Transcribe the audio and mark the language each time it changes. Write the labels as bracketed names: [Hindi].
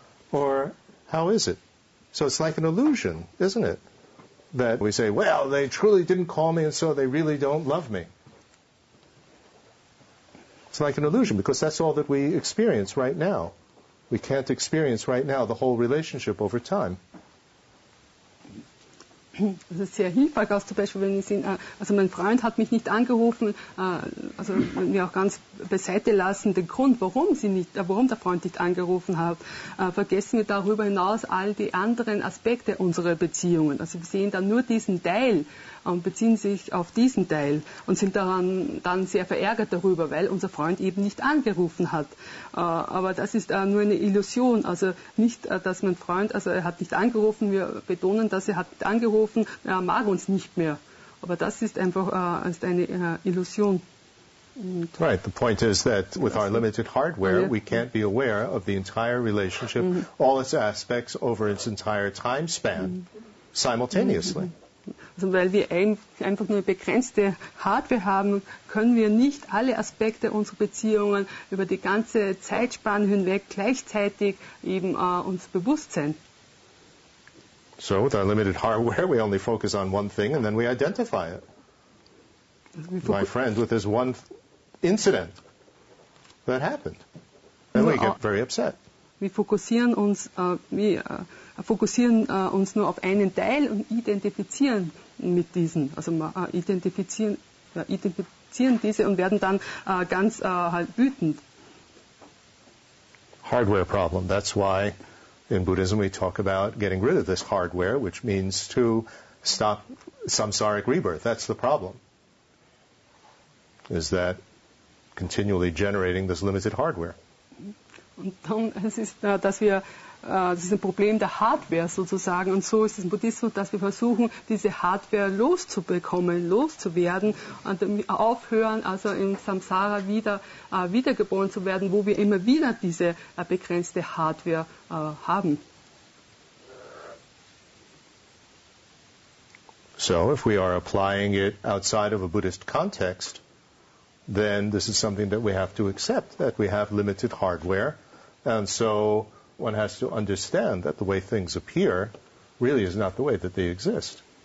[English] Or how is it? So it's like an illusion, isn't it? That we say, well, they truly didn't call me, and so they really don't love me. It's like an illusion, because that's all that we experience right now. We can't experience right now the whole relationship over time. [German] Das ist sehr hilfreich, also zum Beispiel, wenn wir sind, also mein Freund hat mich nicht angerufen, also wenn wir auch ganz beiseite lassen, den Grund, warum der Freund nicht angerufen hat, vergessen wir darüber hinaus all die anderen Aspekte unserer Beziehungen. Also wir sehen dann nur diesen Teil und beziehen sich auf diesen Teil und sind daran dann sehr verärgert darüber, weil unser Freund eben nicht angerufen hat. Aber das ist nur eine Illusion, also nicht, dass mein Freund, also er hat nicht angerufen, wir betonen, dass er hat nicht angerufen, er mag uns nicht mehr. Aber das ist einfach eine Illusion. [English] Und right, the point is that with our limited hardware, we can't be aware of the entire relationship, all its aspects over its entire time span, simultaneously. [German] Also weil wir einfach nur begrenzte Hardware haben, können wir nicht alle Aspekte unserer Beziehungen über die ganze Zeitspanne hinweg gleichzeitig eben uns bewusst sein. [English] So with our limited hardware, we only focus on one thing and then we identify it. My friend with this one incident that happened. And we get very upset. [German] Wir fokussieren uns, uns nur auf einen Teil und identifizieren mit diesen. Also identifizieren diese und werden dann ganz halt wütend. [English] Hardware problem, that's why in Buddhism, we talk about getting rid of this hardware, which means to stop samsaric rebirth. That's the problem, is that continually generating this limited hardware. [German] Und dann das ist ein Problem der Hardware sozusagen. Und so ist es im Buddhismus, dass wir versuchen, diese Hardware loszubekommen, loszuwerden und aufhören, also in Samsara wiedergeboren zu werden, wo wir immer wieder diese begrenzte Hardware haben. [English] So, if we are applying it outside of a Buddhist context, then this is something that we have to accept, that we have limited hardware. And so one has to understand that the way things appear really is not the way that they exist.